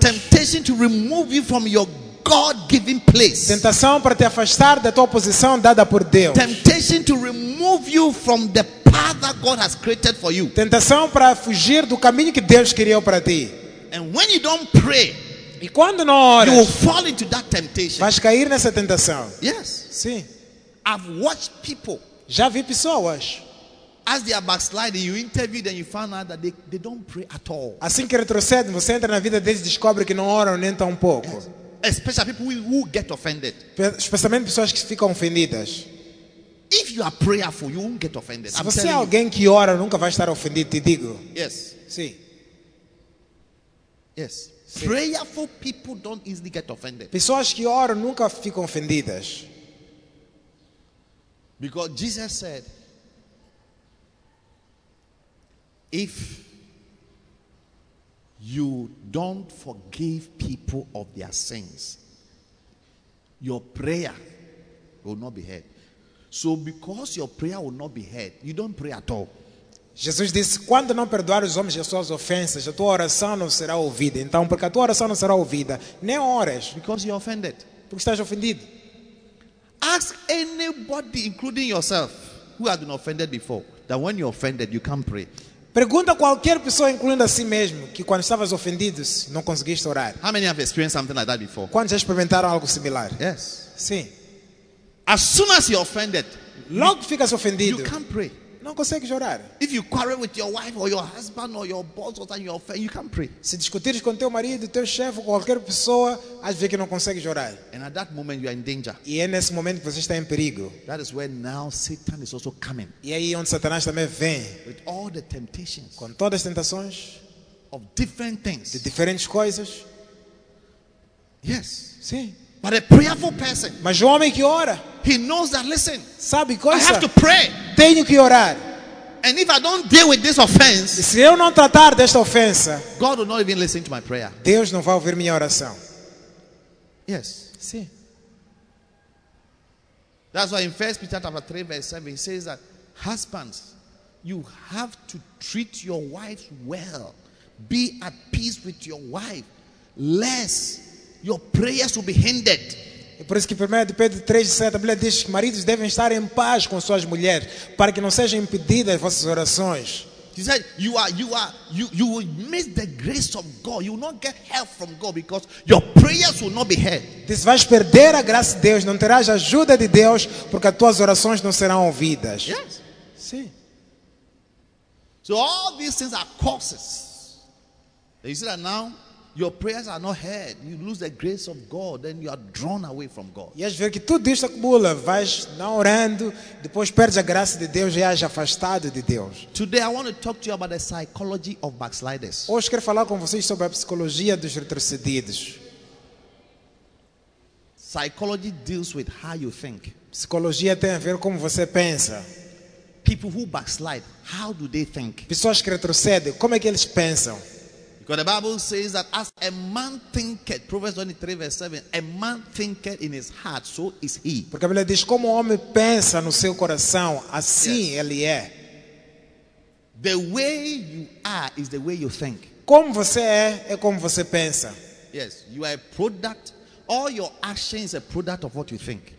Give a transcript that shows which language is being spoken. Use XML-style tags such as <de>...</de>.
<en>Temptation to remove you from your God-given place.</en> <pt>Tentação para te afastar da tua posição dada por Deus.</pt> <en>Temptation to remove you from the path that God has created for you.</en> <pt>Tentação para fugir do caminho que Deus criou para ti.</pt> <en>And when you don't pray,</en> <pt>e quando não oras,</pt> <en>you will fall into that temptation.</en> <pt>Vais cair nessa tentação.</pt> <en>Yes.</en> <pt>Sim.</pt> <en>I've watched people.</en> <pt>Já vi pessoas.</pt> <en>As they are backsliding, you interview them, you find out that they don't pray at all.</en> <pt>Assim que retrocedem, você entra na vida deles e descobre que não oram nem tão pouco.</pt> <en>Yes. Especially people who get offended.</en> <pt>Especialmente pessoas que ficam ofendidas.</pt> <en>If you are prayerful, you won't get offended.</en> <pt>Se você é alguém que ora, nunca vai estar ofendido, te digo.</pt> <en>Yes.</en> <pt>Sim.</pt> <en>Yes.</en> <pt>Sim.</pt> <en>Prayerful people don't easily get offended.</en> <pt>Pessoas que oram nunca ficam ofendidas.</pt> <en>Because Jesus said, if you don't forgive people of their sins, your prayer will not be heard. So because your prayer will not be heard, you don't pray at all.</en> <pt>Jesus disse, quando não perdoar os homens as suas ofensas, a tua oração não será ouvida. Então, porque a tua oração não será ouvida, nem ores.</pt> <en>Because you're offended.</en> <pt>Porque estás ofendido.</pt> <en>Ask anybody, including yourself, who has been offended before, that when you're offended, you can't pray.</en> <pt>Pergunta a qualquer pessoa, incluindo a si mesmo, que quando estavas ofendido, não conseguiste orar.</pt> <en>How many have experienced something like that before?</en> <pt>Quantos já experimentaram algo similar?</pt> <en>Yes.</en> <pt>Sim.</pt> <en>As soon as you're offended,</en> <pt>logo ficas ofendido,</pt> <en>you can't pray.</en> <pt>Não consegues orar.</pt> <en>If you quarrel with your wife or your husband or your boss or something, you're offended, you can't pray.</en> <pt>Se discutires com teu marido, teu chefe ou qualquer pessoa, às vezes não consegues orar.</pt> <en>And at that moment you are in danger.</en> <pt>E é nesse momento que você está em perigo.</pt> <en>That is where now Satan is also coming.</en> <pt>E aí onde Satanás também vem.</pt> <en>With all the temptations.</en> <pt>Com todas as tentações.</pt> <en>Of different things.</en> <pt>De diferentes coisas.</pt> <en>Yes.</en> <pt>Sim.</pt> <en>But a prayerful person.</en> <pt>Mas o homem que ora.</pt> <en>He knows that, listen.</en> <pt>Sabe coisa?</pt> <en>I have to pray.</en> <pt>Tenho que orar.</pt> <en>And if I don't deal with this offense,</en> <pt>se eu não tratar desta ofensa,</pt> <en>God will not even listen to my prayer.</en> <pt>Deus não vai ouvir minha oração.</pt> <en>Yes.</en> <pt>Sim.</pt> <en>That's why in 1 Peter chapter 3 verse 7 it says that husbands, you have to treat your wife well. Be at peace with your wife, lest your prayers will be hindered.</en> <pt>É por isso que 1 Pedro 3:7 a Bíblia diz que maridos devem estar em paz com suas mulheres para que não sejam impedidas as vossas orações.</pt> <en>He said, you will miss the grace of God. You will not get help from God because your prayers will not be heard.</en> <pt>Diz, vais perder a graça de Deus, não terás ajuda de Deus porque as tuas orações não serão ouvidas.</pt> <en>Yes.</en> <pt>Sim.</pt> <en>So all these things are causes. You see that now? Your prayers are not heard. You lose the grace of God, then you are drawn away from God.</en> <pt>E ver que tudo isso acumula, vais não orando, depois perdes a graça de Deus e és afastado de Deus.</pt> <en>Today I want to talk to you about the psychology of backsliders.</en> <pt>Hoje quero falar com vocês sobre a psicologia dos retrocedidos.</pt> <en>Psychology deals with how you think.</en> <pt>Psicologia tem a ver com como você pensa.</pt> <en>People who backslide, how do they think?</en> <pt>Pessoas que retrocedem, como é que eles pensam?</pt> <en>Because the Bible says that as a man thinketh, Proverbs 23 verse 7, a man thinketh in his heart, so is he.</en> <pt>Porque a Bíblia diz, como o homem pensa no seu coração, assim</pt> <en>yes.</en> <pt>ele é.</pt> <en>The way you are is the way you think.</en> <pt>Como você é, é como você pensa.</pt> <en>Yes, you are a product, all your actions are a product of what you think.</en>